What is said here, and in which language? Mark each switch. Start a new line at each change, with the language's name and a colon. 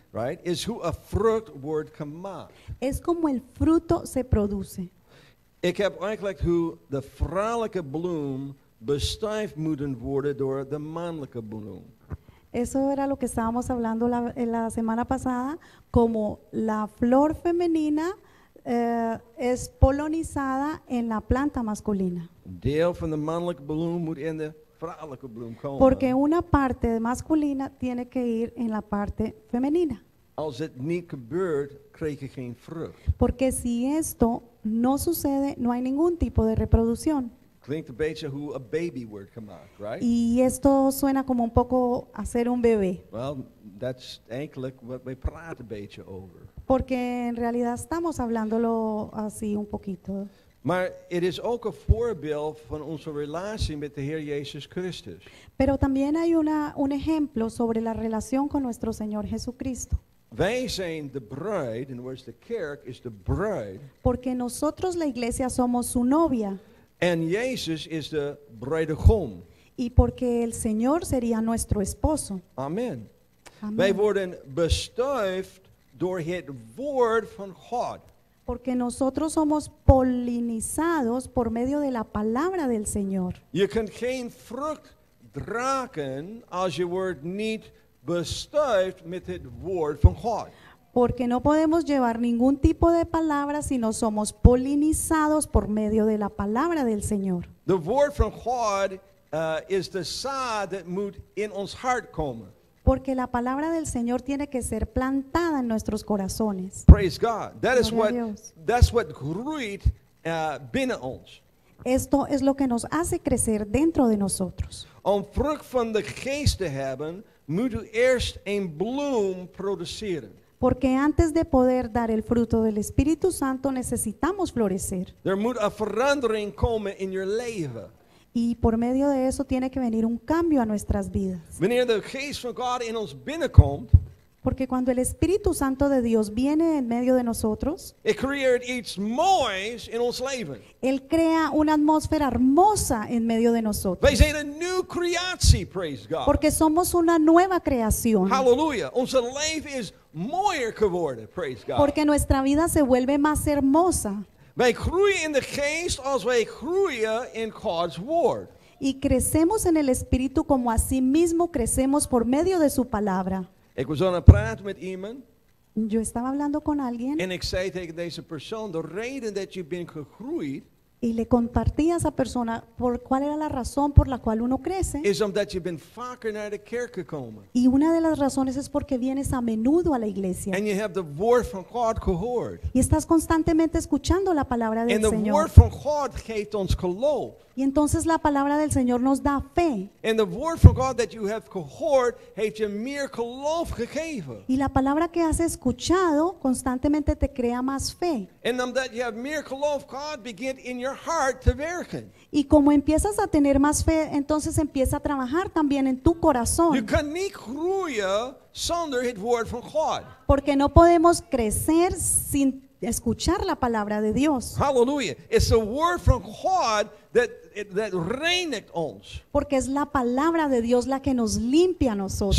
English: Right,
Dutch: is hoe een vrucht wordt gemaakt.
Spanish: Es como el fruto se produce.
Dutch: Ik heb uitgelegd hoe de vrouwelijke bloem bestuift moeten worden door de mannelijke bloem.
Spanish: Eso era lo que estábamos hablando la semana pasada, como la flor femenina es polinizada en la planta masculina.
Dutch: Deel van de mannelijke bloem moet in de vrouwelijke bloem komen.
Spanish: Porque una parte masculina tiene que ir en la parte femenina.
Dutch: Als het niet gebeurt, krijg je geen vrucht.
Spanish: Porque si esto no sucede, no hay ningún tipo de reproducción.
Dutch: Klinkt een beetje hoe a baby word gemaakt,
English: right?
Spanish: Y esto suena como un poco hacer un bebé.
English: Well, that's
Dutch: eigenlijk
English: what we
Dutch: praat een beetje over.
Spanish: Porque en realidad estamos hablándolo así un poquito.
Dutch: Maar het is ook een voorbeeld van onze relatie met de Heer Jezus Christus.
Spanish: Pero también hay un ejemplo sobre la relación con nuestro Señor Jesucristo.
Dutch: Wij zijn de bruid,
English: in words the
Dutch: kerk
English: is the bride.
Spanish: Porque nosotros la iglesia somos su novia.
Dutch: En Jezus is de bruidegom.
Spanish: y porque el Señor sería nuestro esposo. Amén.
Dutch: Wij worden bestuift door het woord van God.
Spanish: Porque nosotros somos polinizados por medio de la palabra del Señor.
Dutch: Je kunt geen vrucht dragen als je wordt niet bestuift met het woord van God.
Spanish: Porque no podemos llevar ningún tipo de palabra si no somos polinizados por medio de la palabra del Señor.
English: The word from God is the seed that
Dutch: moet in ons hart komen.
Spanish: Porque la palabra del Señor tiene que ser plantada en nuestros corazones.
English: Praise God. That's what
Dutch: groeit binnen ons.
Spanish: Esto es lo que nos hace crecer dentro de nosotros.
Dutch: Om vrucht van de geest te hebben, moet u eerst een bloem produceren.
Spanish: Porque antes de poder dar el fruto del Espíritu Santo necesitamos florecer.
Dutch: There moet a verandering komen
English: in your
Dutch: leven.
Spanish: Y por medio de eso tiene que venir un cambio a nuestras vidas.
Dutch: Wanneer de geest van God in ons binnenkomt,
Spanish: porque cuando el Espíritu Santo de Dios viene en medio de nosotros,
English: it creates its noise in
Dutch: ons leven.
Spanish: Él crea una atmósfera hermosa en medio de nosotros.
Dutch: Wij zijn een nieuwe creatie,
English: praise God.
Spanish: Porque somos una nueva creación.
Dutch: Hallelujah. Onze leven is mooier geworden,
English: praise God.
Spanish: Porque nuestra vida se vuelve más hermosa.
Dutch: Wij groeien in de geest als wij groeien in God's woord.
Spanish: Y crecemos en el Espíritu como así mismo crecemos por medio de su palabra.
Dutch: Ik was aan het praten met iemand.
Spanish: Yo estaba hablando con alguien.
Dutch: En ik zei tegen deze persoon, de reden dat je bent gegroeid.
Spanish: Y le compartí a esa persona por cuál era la razón por la cual uno crece.
Dutch: Is omdat je bent vaker naar de kerk gekomen.
Spanish: Y una de las razones es porque vienes a menudo a la iglesia.
English: And you have the word from God gehoord.
Spanish: Y estás constantemente escuchando la palabra del
English: And the
Spanish: Señor.
English: Word from God
Dutch: geeft ons geloof.
Spanish: Y entonces la palabra del Señor nos da fe.
English: And the word from God that you have
Dutch: gehoord heeft je meer geloof gegeven.
Spanish: Y la palabra que has escuchado constantemente te crea más fe.
English: And
Dutch: omdat
English: you have
Dutch: meer geloof,
English: God
Dutch: begint
English: in your heart to work.
Spanish: Y como empiezas a tener más fe, entonces empieza a trabajar también en tu corazón.
English: You can
Dutch: niet groeien zonder het woord van God.
Spanish: Porque no podemos crecer sin escuchar la palabra de Dios.
English: Hallelujah. It's the word from God that
Dutch: reinigt ons.
Spanish: Porque es la palabra de Dios la que nos limpia a nosotros.